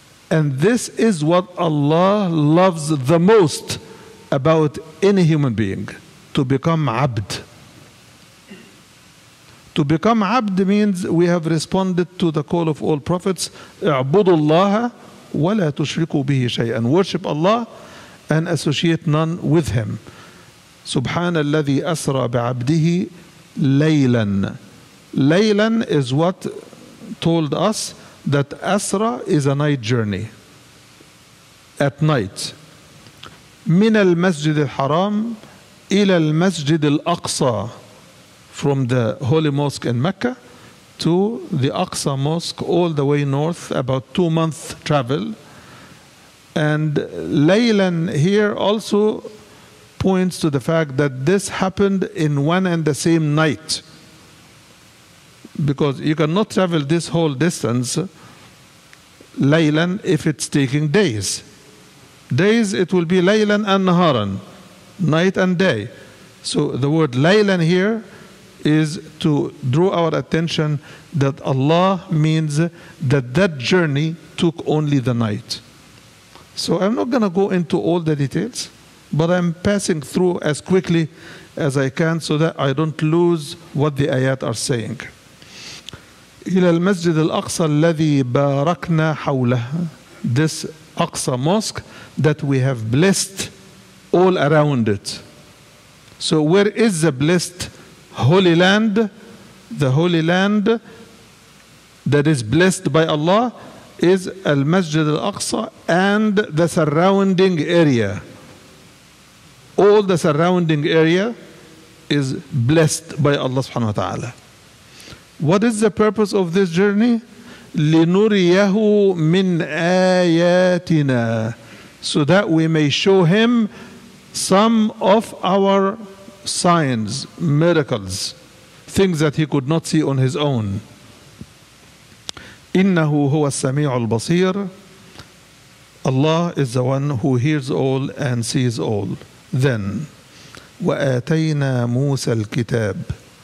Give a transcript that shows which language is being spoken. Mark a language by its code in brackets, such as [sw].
[en] And this is what Allah loves the most about any human being, to become Abd. To become Abd means we have responded to the call of all Prophets, [ar] اعبدوا الله ولا تشركوا به شيئا. [en] Worship Allah and associate none with him. [ar] سبحان الذي أسرى بعبده ليلا. [en] ليلا is what told us that أسرى is a night journey. At night. [ar] من المسجد الحرام إلى المسجد الأقصى. [en] From the holy mosque in Mecca to the Aqsa Mosque, all the way north, about 2 months travel. And Laylan here also points to the fact that this happened in one and the same night. Because you cannot travel this whole distance Laylan if it's taking days. Days, it will be Laylan and Naharan, night and day. So the word Laylan here is to draw our attention that Allah means that that journey took only the night. So I'm not going to go into all the details, but I'm passing through as quickly as I can so that I don't lose what the ayat are saying. [ar] إلى المسجد الأقصى الذي باركنا حوله. [en] This Aqsa Mosque that we have blessed all around it. So where is the blessed Holy Land? The Holy Land that is blessed by Allah is Al-Masjid Al-Aqsa and the surrounding area. All the surrounding area is blessed by Allah subhanahu wa ta'ala. What is the purpose of this journey? [ar] لِنُرِيَهُ مِنْ آيَاتِنَا. [en] So that we may show him some of our signs, miracles, things that he could not see on his own. [ar] إِنَّهُ هُوَ السَّمِيعُ الْبَصِيرُ. [en] Allah is the one who hears all and sees all. [ar] Then, وَآتَيْنَا مُوسَى الْكِتَابِ.